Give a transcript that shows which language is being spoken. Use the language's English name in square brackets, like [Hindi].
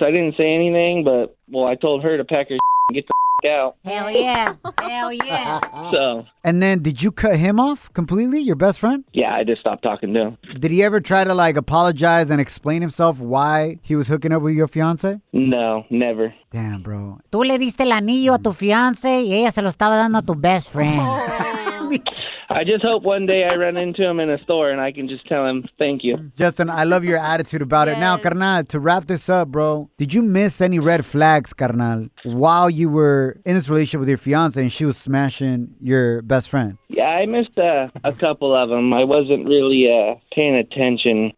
[English] I didn't say anything, but, well, I told her to pack her and get the out. Hell yeah. So. And then did you cut him off completely, your best friend? Yeah, I just stopped talking to him. Did he ever try to, like, apologize and explain himself why he was hooking up with your fiance? No, never. Damn, bro. [Spanish] Tú le diste el anillo a tu fiance y ella se lo estaba dando a tu [English] best friend. I just hope one day I run into him in a store and I can just tell him, thank you. Justin, I love your attitude about it. Now, carnal, to wrap this up, bro, did you miss any red flags, carnal, while you were in this relationship with your fiance and she was smashing your best friend? Yeah, I missed a couple of them. I wasn't really paying attention.